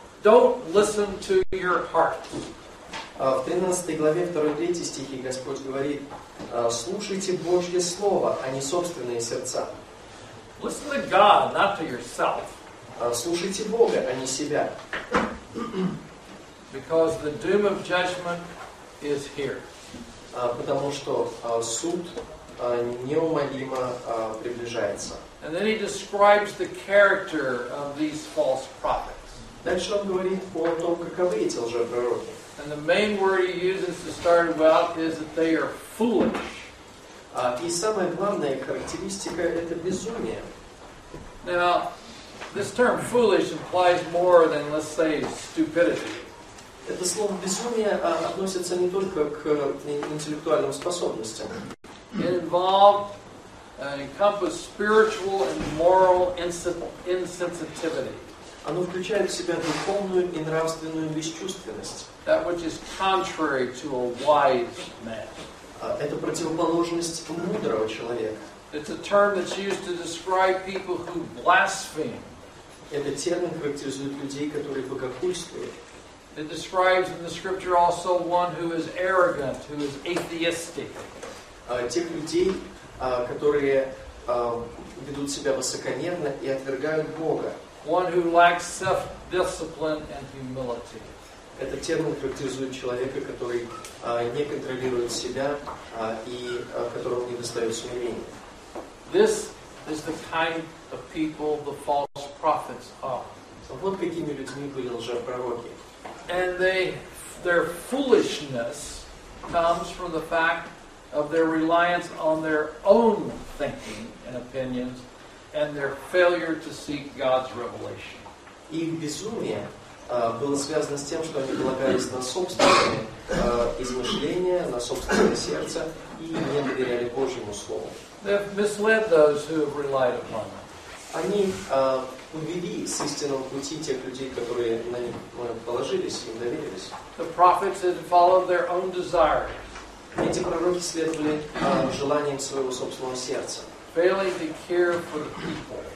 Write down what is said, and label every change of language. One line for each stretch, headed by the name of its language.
English: Don't listen to your heart.
Russian: В 13 главе 2-3 стихи Господь говорит, слушайте Божье слово, а не собственные сердца.
English: Listen to God, not to yourself.
Russian: Слушайте Бога, а не себя.
English: Because the doom of judgment is here.
Russian: Потому что суд неумолимо приближается.
English: And then he describes the character of these false prophets.
Russian: Дальше он говорит о том, каковы эти лжепророки.
English: And the main word he uses to start about is that they are foolish.
Russian: И самая главная характеристика — это безумие.
English: Now, this term foolish implies more than, let's say, stupidity.
Russian: Это слово безумие относится не только к интеллектуальным способностям.
English: It involved and encompassed spiritual and moral insensitivity.
Russian: Оно включает в себя духовную и нравственную бесчувственность.
English: That which is contrary to a wise man.
Russian: Это противоположность мудрого человека.
English: It's a term that's used to describe people who blaspheme.
Russian: Это термин характеризует людей, которые богохульствуют.
English: It describes in the scripture also one who is arrogant, who is atheistic.
Russian: Тех людей, которые ведут себя высокомерно и отвергают Бога.
English: One who lacks self-discipline and humility.
Russian: Это термин характеризует человека, который не контролирует себя и которого не достает смирения.
English: This is the kind of people the false prophets are.
Russian: Вот какими людьми были лжепророки.
English: And their foolishness comes from the fact of their reliance on their own thinking and opinions and their failure to seek God's revelation.
Russian: Их безумие было связано с тем, что они полагались на собственные измышления, на собственное сердце и не доверяли Божьему Слову.
English: They've misled those who have relied upon them.
Russian: Они увели с истинного пути тех людей, которые на них положились, им доверились.
English: The prophets had followed their own desires.
Russian: Эти пророки следовали желаниям своего собственного сердца.
English: Failing to care for the people.